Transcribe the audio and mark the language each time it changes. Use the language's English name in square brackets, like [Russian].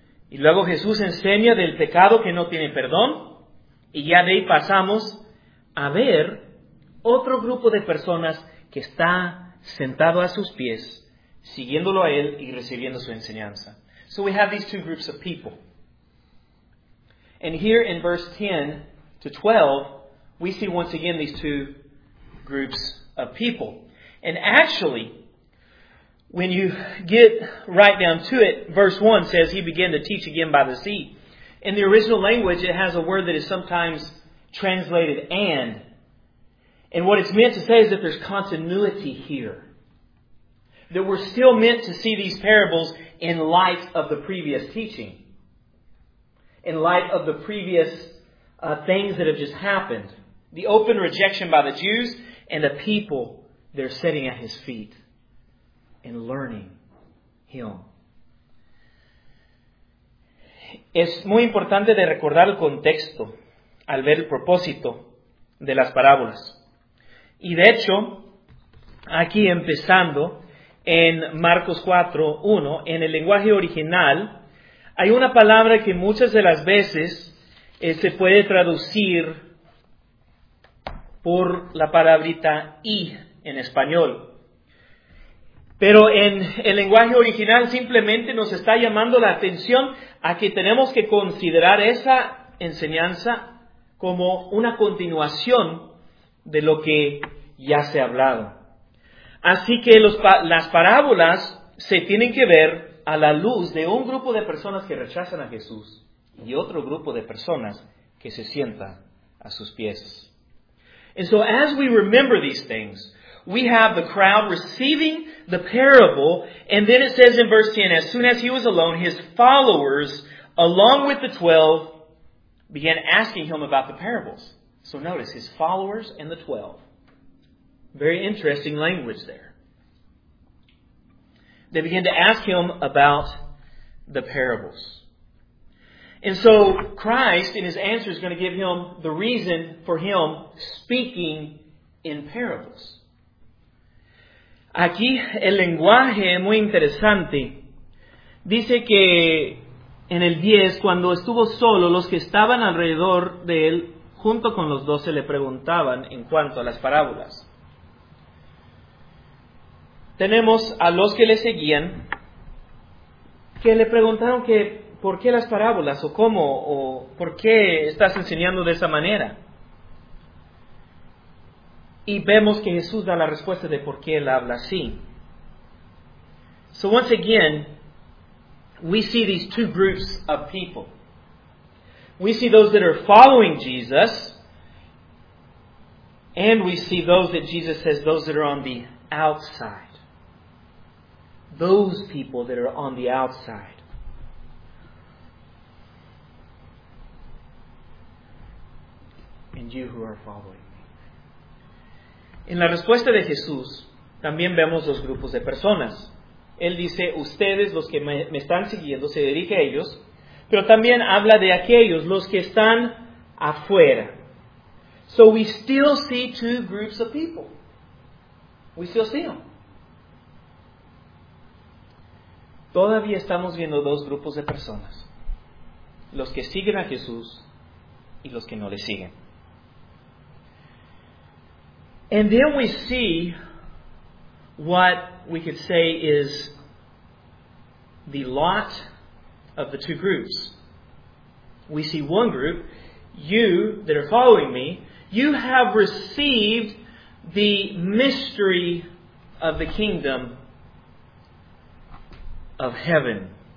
[Spanish] Y luego Jesús enseña del pecado que no tiene perdón, y ya de ahí pasamos a ver otro grupo de personas que está sentado a sus pies, siguiéndolo a él y recibiendo su enseñanza. [English] So we have these two groups of people. And here in verse 10 to 12, we see once again these two groups of people. And actually, when you get right down to it, verse 1 says, "He began to teach again by the sea." In the original language, it has a word that is sometimes translated "and." And what it's meant to say is that there's continuity here. That we're still meant to see these parables in light of the previous teaching. In light of the previous things that have just happened. The open rejection by the Jews and the people they're sitting at His feet and learning Him. [Spanish] Es muy importante de recordar el contexto al ver el propósito de las parábolas. Y de hecho, aquí empezando en Marcos 4:1, en el lenguaje original, hay una palabra que muchas de las veces se puede traducir por la palabrita "y" en español. Pero en el lenguaje original simplemente nos está llamando la atención a que tenemos que considerar esa enseñanza como una continuación de lo que ya se ha hablado. Así que las parábolas se tienen que ver a la luz de un grupo de personas que rechazan a Jesús y otro grupo de personas que se sientan a sus pies. [English] And so as we remember these things, we have the crowd receiving the parable, and then it says in verse 10, as soon as he was alone, his followers, along with the 12, began asking him about the parables. So notice, his followers and the 12. Very interesting language there. They begin to ask him about the parables. And so Christ, in his answer, is going to give him the reason for him speaking in parables. [Spanish] Aquí el lenguaje es muy interesante. Dice que en el 10, cuando estuvo solo, los que estaban alrededor de él, junto con los 12, le preguntaban en cuanto a las parábolas. Tenemos a los que le seguían, que le preguntaron que ¿por qué las parábolas? ¿O cómo? ¿O por qué estás enseñando de esa manera? Y vemos que Jesús da la respuesta de por qué Él habla así. [English] So once again, we see these two groups of people. We see those that are following Jesus, and we see those that Jesus says, those that are on the outside. Those people that are on the outside. And you who are following me. [Spanish] En la respuesta de Jesús, también vemos dos grupos de personas. Él dice, ustedes, los que me están siguiendo, se dirige a ellos. Pero también habla de aquellos, los que están afuera. [English] So we still see two groups of people. We still see them. [Spanish] Todavía estamos viendo dos grupos de personas. Los que siguen a Jesús y los que no le siguen. [English] And then we see what we could say is the lot of the two groups. We see one group, you that are following me, you have received the mystery of the kingdom of heaven.